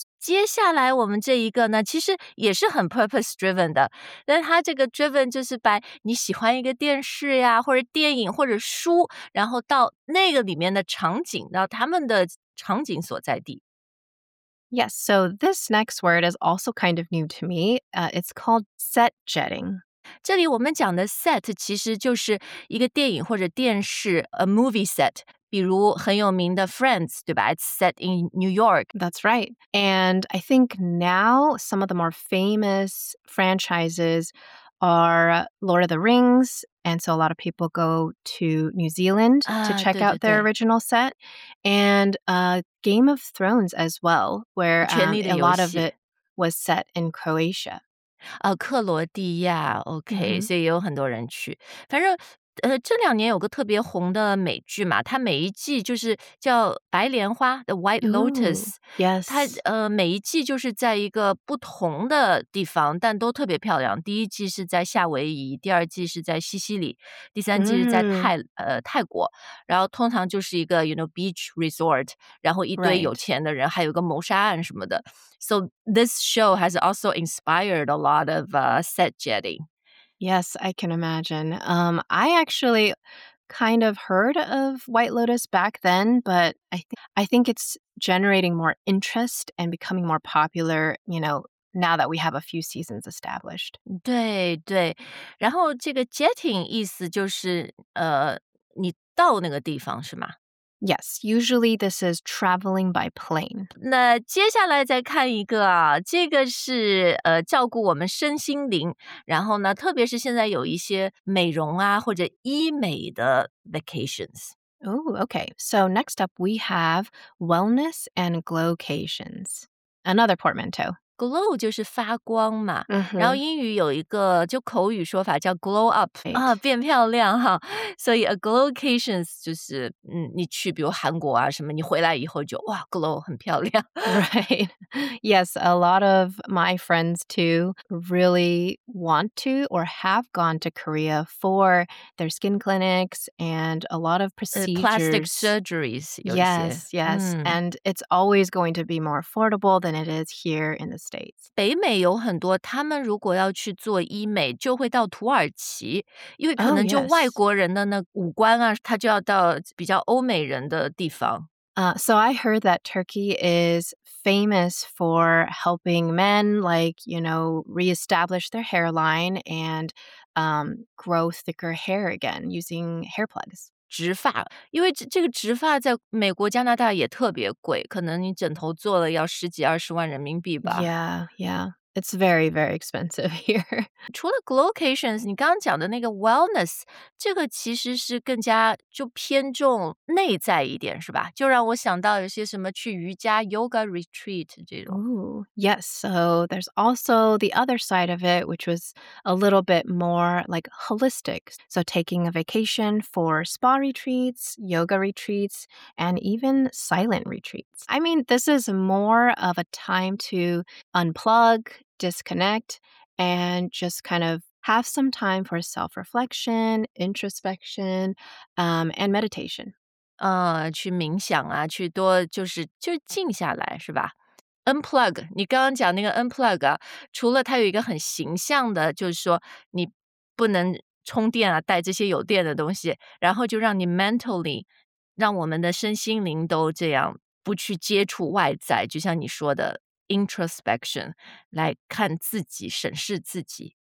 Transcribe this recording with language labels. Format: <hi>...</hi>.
<zh>接下来我们这一个呢，其实也是很</zh> <en>purpose driven</en> <zh>的，但它这个 driven 就是把你喜欢一个电视呀，或者电影或者书，然后到那个里面的场景，到他们的场景所在地。</zh> <en>Yes, so this next word is also kind of new to me. It's called set jetting.</en> <zh>这里我们讲的 set 其实就是一个电影或者电视</zh> <en>a movie set</en> <zh>比如很有名的 Friends 对吧</zh> <en>It's set in New York That's right And I think now some of the more famous franchises are Lord of the Rings And so a lot of people go to New Zealand to check out their original set And Game of Thrones as well Where a lot of it was set in Croatia</en> <zh>克罗地亚 OK、mm-hmm. 所以有很多人去反正这两年有个特别红的美剧嘛，它每一季就是叫白莲花 The White Lotus。</zh> <en>Ooh, yes.</en> <zh>它每一季就是在一个不同的地方，但都特别漂亮。第一季是在夏威夷，第二季是在西西里，第三季是在泰国。然后通常就是一个</zh> <en>you know beach resort，</en> <zh>然后一堆有钱的人，</zh> <en>right.</en> <zh>还有个谋杀案什么的。</zh> <en>So this show has also inspired a lot of set jetting. Yes, I can imagine. I actually kind of heard of White Lotus back then, but I think it's generating more interest and becoming more popular, you know, now that we have a few seasons established.</en> <zh>对对，然后这个 jetting 意思就是你到那个地方是吗？</zh> <en>Yes, usually this is traveling by plane.</en> <zh>那接下来再看一个啊，这个是照顾我们身心灵，然后呢，特别是现在有一些美容啊或者医美的 vacations.</zh> <en>Oh, okay. So next up we have wellness and glowcations. Another portmanteau.</en> <zh>Glow 就是发光嘛、 mm-hmm. 然后英语有一个就口语说法叫 glow up、</zh> <en>right.</en> <zh>啊，变漂亮哈。所以 a glowcation 就是你去比如韩国啊什么，你回来以后就哇 glow 很漂亮。</zh> <en>Right. Yes, a lot of my friends too really want to or have gone to Korea for their skin clinics and a lot of procedures. Plastic surgeries. Yes, yes.、Mm. And it's always going to be more affordable than it is here in the States.</en> <zh>北美有很多，他们如果要去做医美，就会到土耳其，因为可能就外国人的那五官啊，他就要到比较欧美人的地方。</zh> <en>So I heard that Turkey is famous for helping men, like, you know, reestablish their hairline and grow thicker hair again using hair plugs.</en> <zh>植发，因为这个植发在美国、加拿大也特别贵，可能你枕头做了要十几二十万人民币吧。</zh> <en>Yeah, yeah, it's very, very expensive here.</en> <zh>除了 glowcations， 你刚刚讲的那个 wellness， 这个其实是更加就偏重内在一点，是吧？就让我想到有些什么去瑜伽 yoga retreat 这种。</zh> <en>Ooh, yes, so there's also the other side of it, which was a little bit more like holistic. So taking a vacation for spa retreats, yoga retreats, and even silent retreats. I mean, this is more of a time to unplug, disconnect, and just kind of have some time for self-reflection, introspection, and meditation.</en> <zh>去冥想啊，去多就静下来，是吧？ Unplug， 你刚刚讲那个 unplug 啊，除了它有一个很形象的，就是说你不能充电啊，带这些有电的东西，然后就让你 mentally， 让我们的身心灵都这样不去接触外在，就像你说的 introspection， 来看自己，审视自己。</zh>